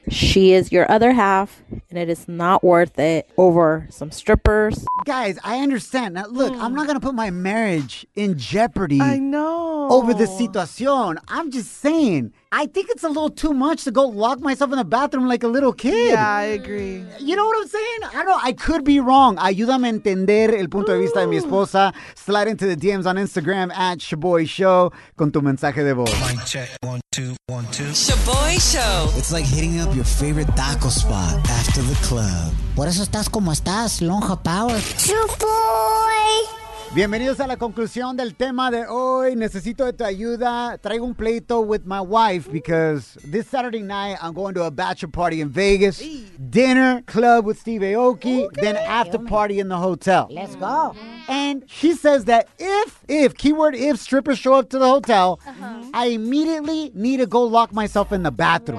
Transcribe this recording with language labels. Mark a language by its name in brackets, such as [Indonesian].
[English] She is your other half and it is not worth it over some strippers. Guys, I understand. Now, look, I'm not going to put my marriage in jeopardy. I know. Over the situation. I'm just saying. I think it's a little too much to go lock myself in the bathroom like a little kid. Yeah, I agree. You know what I'm saying? I don't know. I could be wrong. [Spanish] Ayúdame a entender el punto de vista de mi esposa. [English] Slide into the DMs on Instagram at Shaboy Show [Spanish] con tu mensaje de voz. [English] Mic check. 1, 2, 1, 2. Shaboy Show. It's like hitting up your favorite taco spot after the club. [Spanish] Por eso estás como estás, Lonja Power. Shaboy. Bienvenidos a la conclusión del tema de hoy. Necesito de tu ayuda. Traigo un pleito [English] with my wife because this Saturday night I'm going to a bachelor party in Vegas. Dinner, club with Steve Aoki, okay. Then after party in the hotel. Let's go. And she says that if strippers show up to the hotel, I immediately need to go lock myself in the bathroom.